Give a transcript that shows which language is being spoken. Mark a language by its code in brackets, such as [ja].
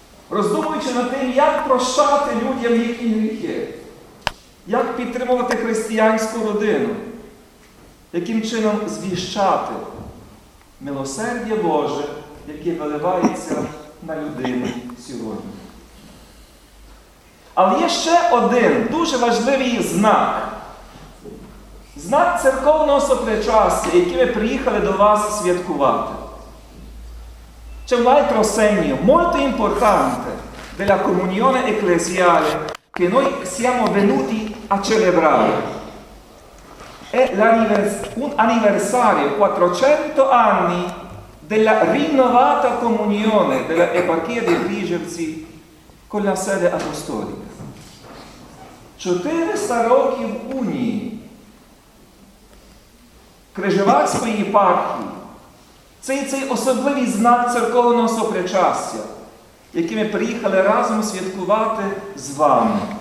[uk] Роздумуючи над тим, як прощати людям їхні гріхи, як підтримувати християнську родину, яким чином звіщати милосердя Боже, яке виливається на людину сьогодні. Але є ще один дуже важливий знак. Знак церковного сопричастя, який ми приїхали до вас святкувати. [it] Це l'altro segno, molto importante, della comunione ecclesiale che noi siamo venuti a celebrare. È un anniversario, 400 anni, della rinnovata comunione della eparchia di Križevci con la sede apostolica. [uk] 400 років в унії Križевацької єпархії. Це і цей особливий знак церковного сопричастя, який ми приїхали разом святкувати з вами.